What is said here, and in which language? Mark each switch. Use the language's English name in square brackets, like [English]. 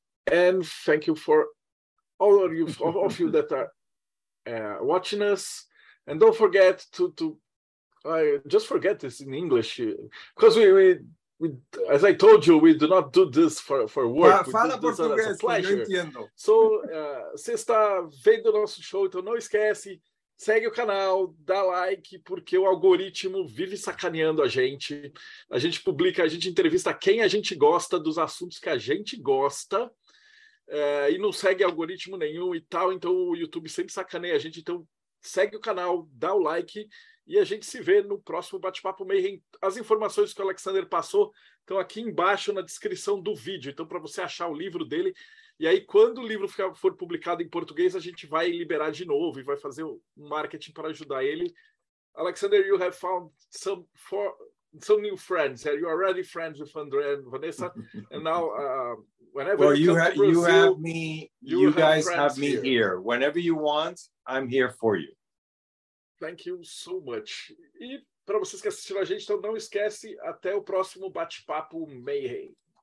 [English] And thank you for all of you, all of you that are watching us. And don't forget to I just forget this in English, because we as I told you, we do not do this for work. [Portuguese] Fala português, as a eu entendo. So, você está vendo o nosso show, então não esquece, segue o canal, dá like, porque o algoritmo vive sacaneando a gente. A gente publica, a gente entrevista quem a gente gosta dos assuntos que a gente gosta. E não segue algoritmo nenhum e tal, então o YouTube sempre sacaneia a gente, então segue o canal, dá o like e a gente se vê no próximo Bate-Papo Mayhem. As informações que o Alexander passou estão aqui embaixo na descrição do vídeo, então para você achar o livro dele, e aí quando o livro for publicado em português, a gente vai liberar de novo e vai fazer um marketing para ajudar ele. [English] Alexander, you have found some new friends, you are already friends with Andre and Vanessa, and now... Whenever you have Brazil, you have me, you guys have me here. Whenever you want, I'm here for you. Thank you so much. [Portuguese] E para vocês que assistiram a gente, então não esquece, até o próximo Bate-Papo Mayhem.